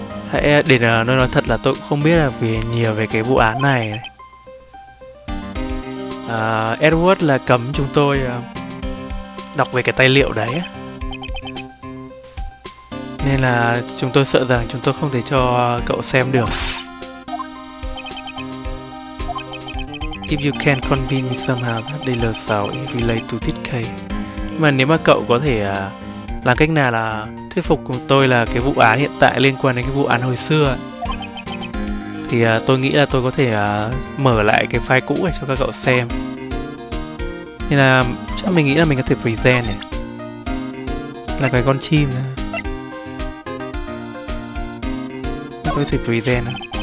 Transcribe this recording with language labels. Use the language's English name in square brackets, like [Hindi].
[Vietnamese] Hãy để nó nói thật là tôi cũng không biết là vì nhiều về cái vụ án này. Edward là cấm chúng tôi đọc về cái tài liệu đấy. Nên là chúng tôi sợ rằng chúng tôi không thể cho cậu xem được. [English] If you can convince me somehow that DL6 is related to this case. [Vietnamese] Mà nếu mà cậu có thể làm cách nào là thuyết phục của tôi là cái vụ án hiện tại liên quan đến cái vụ án hồi xưa thì tôi nghĩ là tôi có thể mở lại cái file cũ này cho các cậu xem. Nên là chắc mình nghĩ là mình có thể present này. Là cái con chim này. Có thể present này.